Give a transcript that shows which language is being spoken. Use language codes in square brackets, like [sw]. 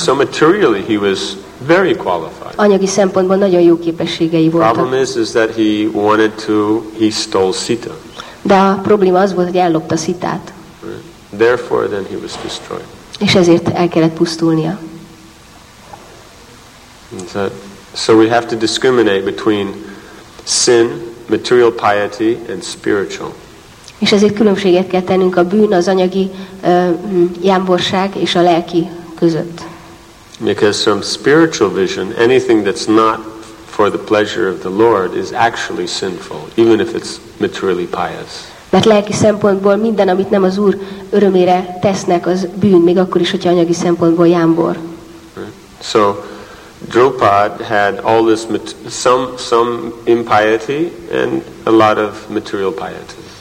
[en] So materially he was very qualified. [hu] Anyagi szempontból nagyon jó képességei voltak. [en] Problem is that he stole Sita. [hu] De a probléma az volt, hogy ellopta Sitát. [en] Therefore, then he was destroyed. [hu] És ezért el kellett pusztulnia. [en] So we have to discriminate between sin, material piety, and spiritual. [hu] És ezért különbséget kell tennünk a bűn, az anyagi jámborság és a lelki között. [en] Because from spiritual vision, anything that's not for the pleasure of the Lord is actually sinful, even if it's materially pious. [hu] Mert lelki szempontból minden, amit nem az Úr örömére tesznek, az bűn, még akkor is, hogyha anyagi szempontból jámbor. [en] So Drupad had all this some impiety and a lot of material piety.